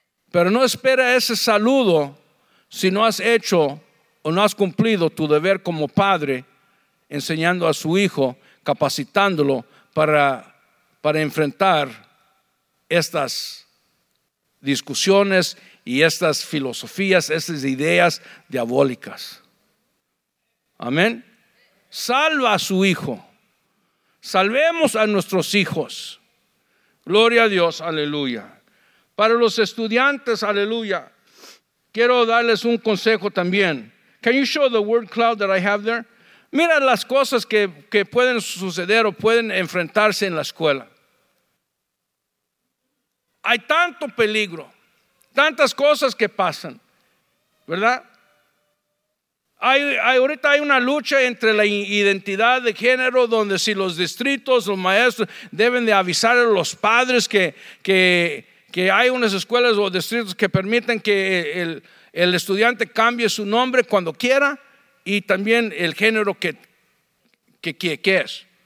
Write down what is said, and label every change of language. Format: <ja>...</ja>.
<es>Pero no espera ese saludo si no has hecho o no has cumplido tu deber como padre, enseñando a su hijo, capacitándolo para enfrentar estas discusiones y estas filosofías, estas ideas diabólicas. Amén. Salva a su hijo. Salvemos a nuestros hijos. Gloria a Dios, aleluya. Para los estudiantes, aleluya, quiero darles un consejo también.</es> <en>Can you show the word cloud that I have there?</en> <es>Mira las cosas que pueden suceder o pueden enfrentarse en la escuela. Hay tanto peligro, tantas cosas que pasan, ¿verdad? Ahorita hay una lucha entre la identidad de género, donde si los distritos, los maestros, deben de avisar a los padres que hay unas escuelas o distritos que permiten que el estudiante cambie su nombre cuando quiera, y también el género que es.</es>